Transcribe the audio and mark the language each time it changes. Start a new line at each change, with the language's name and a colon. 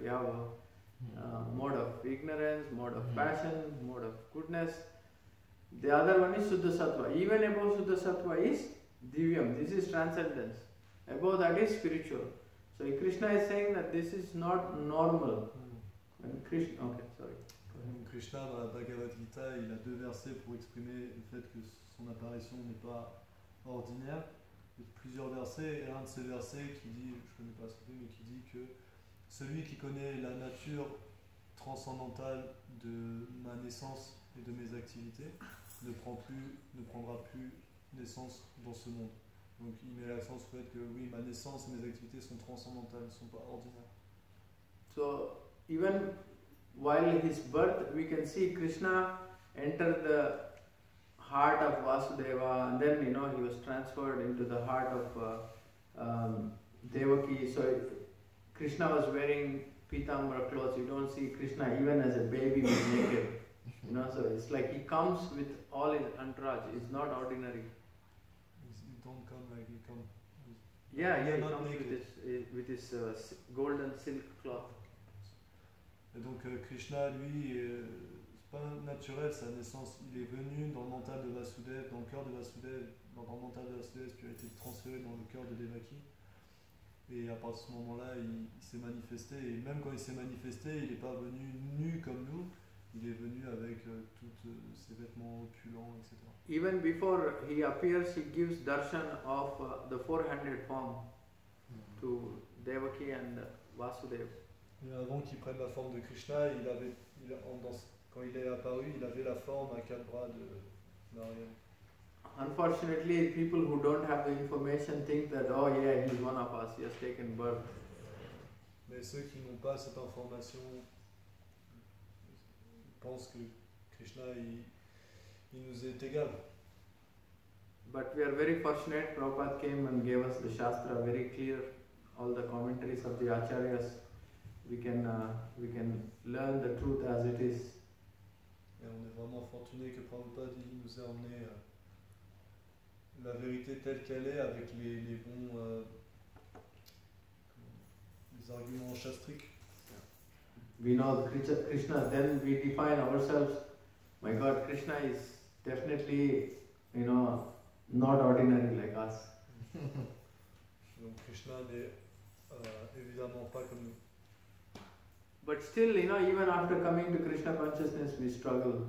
English: We have a mode of ignorance, mode of passion, mode of goodness. The other one is Shuddha Sattva. Even above Shuddha Sattva is Divyam. This is transcendence. Above that is spiritual. So Krishna is saying that this is not normal.
French: Krishna, dans la Bhagavad Gita, il a deux versets pour exprimer le fait que son apparition n'est pas ordinaire. Plusieurs versets, et un de ces versets qui dit, je ne connais pas ce mot, mais qui dit que celui qui connaît la nature transcendantale de ma naissance et de mes activités ne prendra plus naissance dans ce monde. Donc il met l'accent sur le fait que oui, ma naissance et mes activités sont transcendantales, ne sont pas ordinaires.
English: So, even while his birth, we can see Krishna enter the heart of Vasudeva, and then you know he was transferred into the heart of Devaki. So Krishna was wearing Pitambara clothes. You don't see Krishna even as a baby being naked. You know, so it's like he comes with all his entourage. It's not ordinary. He don't come like he come. Yeah, he comes naked. with his golden silk cloth.
French: Et donc Krishna lui. Pas naturel sa naissance, il est venu dans le mental de Vasudev, dans le cœur de Vasudev, dans le mental de Vasudev, puis a été transféré dans le cœur de Devaki. Et à partir de ce moment-là, il s'est manifesté. Et même quand il s'est manifesté, il n'est pas venu nu comme nous, il est venu avec tous ses vêtements opulents, etc.
English: Even before he appears, he gives darshan of the 400 forms to Devaki and Vasudev.
French: Et avant qu'il prenne la forme de Krishna, il avait, il, en, dans, quand il est apparu, il avait la forme à quatre bras de Narayana.
English: Unfortunately, people who don't have the information think that, oh yeah, he's one of us, he has taken birth.
French: Mais ceux qui n'ont pas cette information pensent que Krishna, il nous est égal.
English: But we are very fortunate, Prabhupada came and gave us the Shastra very clear, all the commentaries of the Acharyas. We can learn the truth as it is.
French: Et on est vraiment fortuné que Prabhupada nous ait emmené la vérité telle qu'elle est avec les bons les arguments shastriques.
English: Yeah. We know Krishna, then we define ourselves. My God, Krishna is definitely, you know, not ordinary like us.
French: Donc Krishna n'est évidemment pas comme nous.
English: But still, you know, even after coming to Krishna consciousness, we struggle.